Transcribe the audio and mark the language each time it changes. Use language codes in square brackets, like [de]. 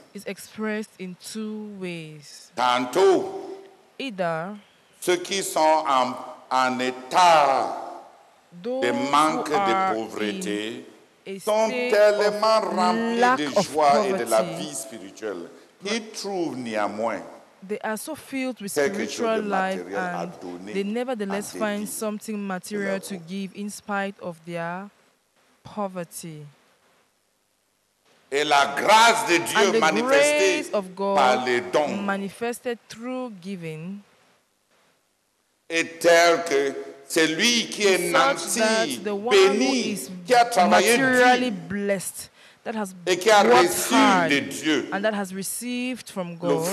[en] Is expressed in two ways. [fr] Tantôt, [en] either [fr] ceux qui sont en état de manque de pauvreté sont tellement remplis de joie et de la vie spirituelle. Ils trouvent néanmoins [en] they are so filled with spiritual life and they nevertheless find something material to give in spite of their poverty. [fr] Et la grâce de Dieu [en] and the grace of God [fr] par les dons [en] manifested through giving [fr] est tel que celui qui est nanti, béni, qui a travaillé [en] materially blessed that has worked hard and that has received from God